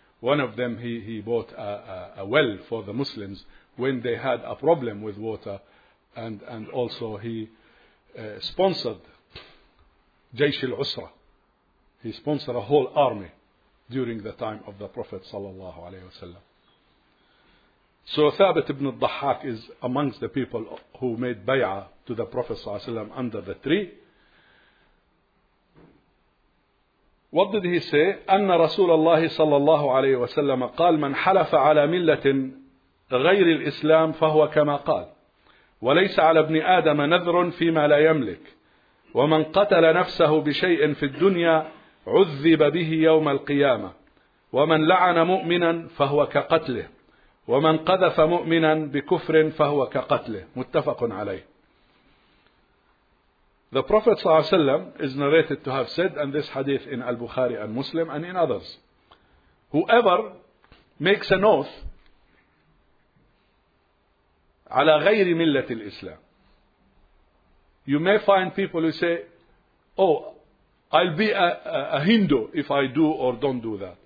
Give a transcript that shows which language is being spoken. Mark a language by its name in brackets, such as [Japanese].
[English] One of them, he bought a well for the Muslims when they had a problem with water, and also he sponsored Jaysh al-Usra. He sponsored a whole army during the time of the Prophet sallallahu alayhi wasallam. So Thabit ibn al-Dhahhak is amongst the people who made bay'ah to the Prophet sallallahu alayhi wasallam under the tree. What did he say? [Arabic] أن رسول الله صلى الله عليه وسلم قال من حلف على ملة غير الإسلام فهو كما قال وليس على ابن آدم نذر فيما لا يملك ومن قتل نفسه بشيء في الدنيا عذب به يوم القيامة ومن لعن مؤمنا فهو كقتله ومن قذف مؤمنا بكفر فهو كقتله. متفق عليه. [English] The Prophet ﷺ is narrated to have said, and this hadith in Al-Bukhari and Muslim and in others, whoever makes an oath [Arabic] على غير ملة الإسلام, [English] you may find people who say, oh, I'll be a Hindu if I do or don't do that.